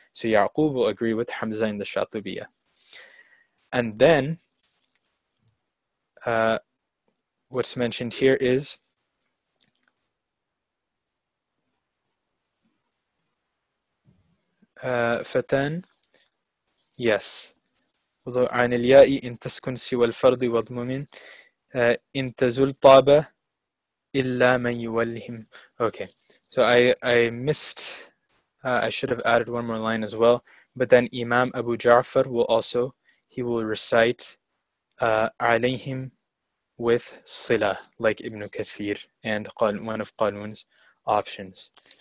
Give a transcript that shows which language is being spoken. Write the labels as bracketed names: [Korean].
[English] So Ya'qub will agree with Hamza in the Shatibiyya. And then what's mentioned here is Fatan, yes. [Arabic] عن الياء إن تسكن سوى الفرض وضمم إن تزل طاب إلا من يولهم. [English] Okay, so I missed, I should have added one more line as well, but then Imam Abu Ja'far will also, he will recite عليهم with صلة, like Ibn Kathir and one of Qalun's options.